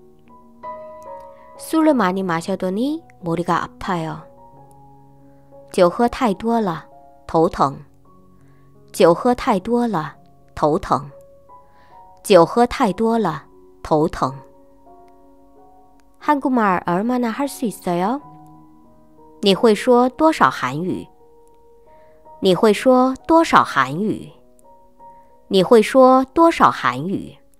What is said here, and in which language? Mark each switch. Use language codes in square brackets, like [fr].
[zh] 很多人几乎都是饿着肚子减肥的。很多人几乎都是饿着肚子减肥的。很多人几乎都是饿着肚子减肥的。 [ko] 술을 많이 마셔더니 머리가 아파요. [zh] 酒喝太多了，头疼。酒喝太多了，头疼。酒喝太多了，头疼。 [ko] 한국말 얼마나 할 수 있어요? [zh] 你会说多少韩语?你会说多少韩语?你会说多少韩语?